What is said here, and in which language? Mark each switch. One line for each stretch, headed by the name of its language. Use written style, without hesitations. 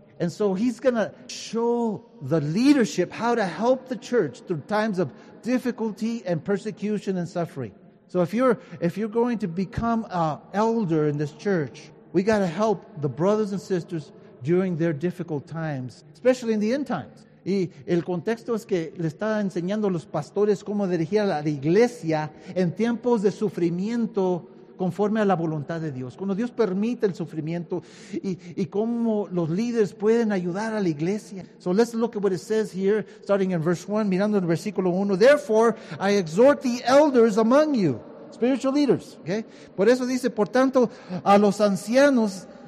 English: And so he's going to show the leadership how to help the church through times of difficulty and persecution and suffering. So if you're going to become an elder in this church, we got to help the brothers and sisters during their difficult times, especially in the end times.
Spanish: Y el contexto es que le está enseñando a los pastores cómo dirigir a la iglesia en tiempos de sufrimiento conforme a la voluntad de Dios. Cuando Dios permite el sufrimiento y cómo los líderes pueden ayudar a la iglesia.
English: So let's look at what it says here, starting in verse 1,
Spanish: mirando el versículo 1.
English: Therefore, I exhort the elders among you, spiritual leaders. Okay?
Spanish: Por eso dice, por tanto, a los ancianos...